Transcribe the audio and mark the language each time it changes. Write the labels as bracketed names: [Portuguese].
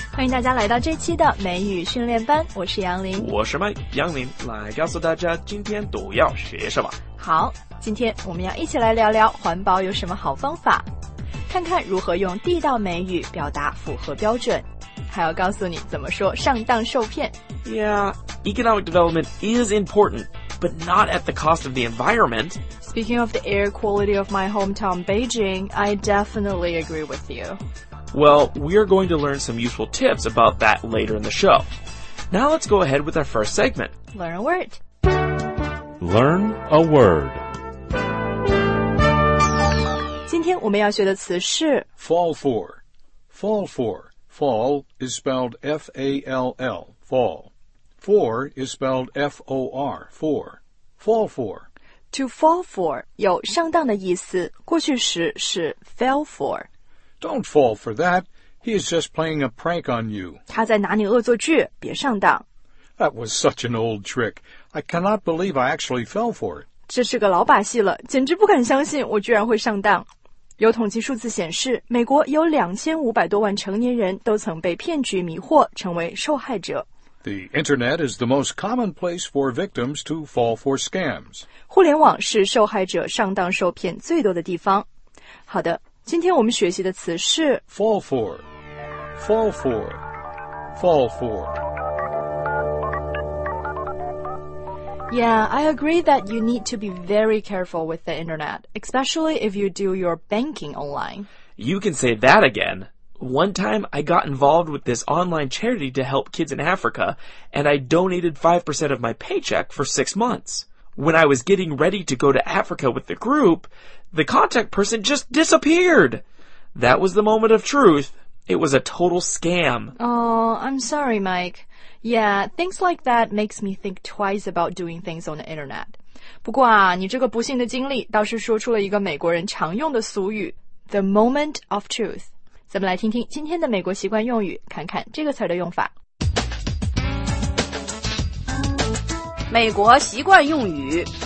[Chinese] 大家来到这期的美语训练班，我是杨林。我是麦杨林，来告诉大家今天都要学什么。好，今天我们要一起来聊聊环保有什么好方法，看看如何用地道美语表达符合标准，还要告诉你怎么说上当受骗。 [English] Yeah, economic development is important, but not at the cost of the environment. Speaking of the air quality of my hometown Beijing, I definitely agree with you. Well, we are going to learn some useful tips about that later in the show. Now let's go ahead with our first segment. Learn a word. Learn a word. [Chinese] 今天我们要学的词是 [English] fall for. Fall for. Fall is spelled F-A-L-L, fall. For is spelled F-O-R, for. Fall for. [Chinese] To fall for 有上当的意思，过去时是 fell for. [English] Don't fall for that. He is just playing a prank on you. [Chinese] 他在拿你恶作剧，别上当。 [English] That was such an old trick. I cannot believe I actually fell for it. [Chinese] 这是个老把戏了，简直不敢相信我居然会上当。有统计数字显示，美国有2500多万成年人都曾被骗局迷惑，成为受害者。 [English] The internet is the most common place for victims to fall for scams. [Chinese] 互联网是受害者上当受骗最多的地方。好的，今天我们学习的词是 [English] fall for, fall for, fall for. Yeah, I agree that you need to be very careful with the internet, especially if you do your banking online. You can say that again. One time, I got involved with this online charity to help kids in Africa, and I donated 5% of my paycheck for 6 months. When I was getting ready to go to Africa with the group, the contact person just disappeared. That was the moment of truth. It was a total scam. Oh, I'm sorry, Mike. Yeah, things like that makes me think twice about doing things on the internet. [Chinese] 不过啊，你这个不幸的经历倒是说出了一个美国人常用的俗语 [English] The moment of truth. [Chinese] 咱们来听听今天的美国习惯用语，看看这个词的用法。美国习惯用语